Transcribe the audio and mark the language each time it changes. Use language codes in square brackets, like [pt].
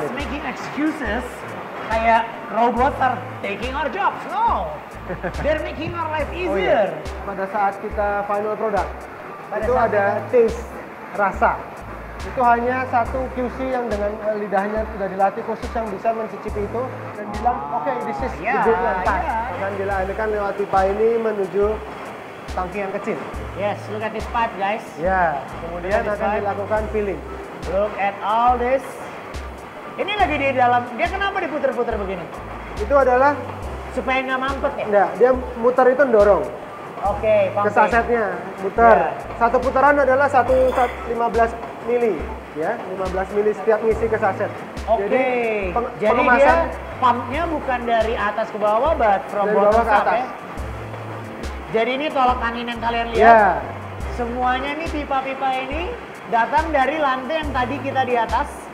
[en] us making excuses kayak robot are taking our jobs. No, they're making our life easier. [id] Oh, iya. Pada saat kita final product, pada itu ada kita taste, rasa. Itu hanya satu QC yang dengan lidahnya sudah dilatih khusus yang bisa mencicipi itu dan bilang, [en] okay, this is the good one. [id] Dan bila ini kan lewat pipa ini menuju tangki yang kecil. [en] Yes, look at this pipe, guys. [id] Ya, yeah. Kemudian akan pipe dilakukan filling. [en] Look at all this. [id] Ini lagi di dalam, dia kenapa diputer-puter begini? Itu adalah supaya nggak mampet ya? Nggak, dia muter itu mendorong. Oke, okay, pumping. Ke sasetnya, muter. Yeah. Satu putaran adalah 15 mili. Ya, 15 mili setiap ngisi ke saset. Oke, okay. Jadi dia pumpnya bukan dari atas ke bawah, [en] but from [id] dari bawah ke atas. Ya. Jadi ini tolak angin yang kalian lihat. Yeah. Semuanya nih pipa-pipa ini datang dari lantai yang tadi kita di atas.